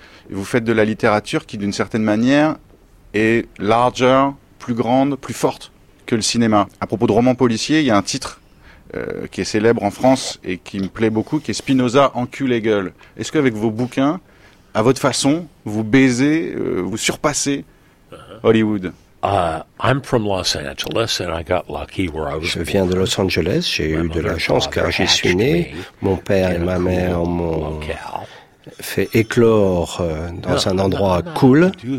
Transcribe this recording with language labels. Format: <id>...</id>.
<fr>Et vous faites de la littérature qui, d'une certaine manière, est larger, plus grande, plus forte que le cinéma. À propos de romans policiers, il y a un titre qui est célèbre en France et qui me plaît beaucoup, qui est Spinoza encule les gueules. Est-ce qu'avec vos bouquins, à votre façon, vous baisez, vous surpassez Hollywood ?</fr> <en>I'm from Los Angeles and I got lucky where I was.</en> <fr>Je viens de Los Angeles, j'ai eu de la chance car j'y suis né. Mon père et ma mère m'ont fait éclore dans un endroit cool.</fr>